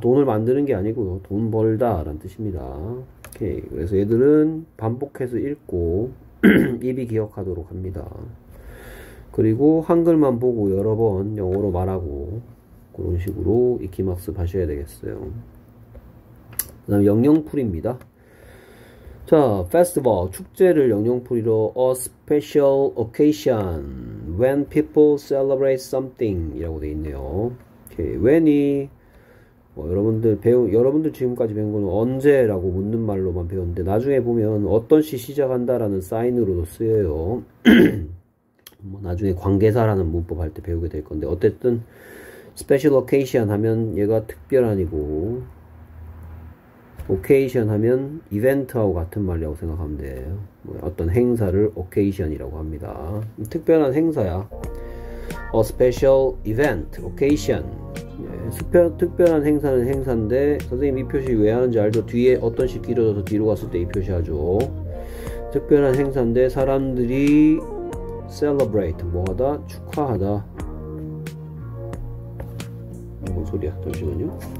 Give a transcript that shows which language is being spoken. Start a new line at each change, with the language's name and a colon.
Korean: 돈을 만드는 게 아니고요. 돈 벌다라는 뜻입니다. 오케이. 그래서 얘들은 반복해서 읽고 입이 기억하도록 합니다. 그리고 한글만 보고 여러 번 영어로 말하고 그런 식으로 익히막습 하셔야 되겠어요. 그다음 영영풀입니다. 자, festival 축제를 영영풀이로 a special occasion when people celebrate something 이라고 되어 있네요. 오케이. When이 여러분들 지금까지 배운 거는 언제라고 묻는 말로만 배웠는데 나중에 보면 어떤 시 시작한다라는 사인으로도 쓰여요. 뭐 나중에 관계사라는 문법 할때 배우게 될 건데 어쨌든 스페셜 오케이션 하면 얘가 특별한이고 오케이션 하면 이벤트하고 같은 말이라고 생각하면 돼요. 뭐 어떤 행사를 오케이션이라고 합니다. 특별한 행사야.
English: A special event, occasion.
Korean: 특별한 행사는 행사인데 선생님 이 표시 왜 하는지 알죠? 뒤에 어떤 식 길어져서 뒤로 갔을 때이 표시하죠. 특별한 행사인데 사람들이 celebrate 뭐하다? 축하하다. 뭔 소리야? 잠시만요.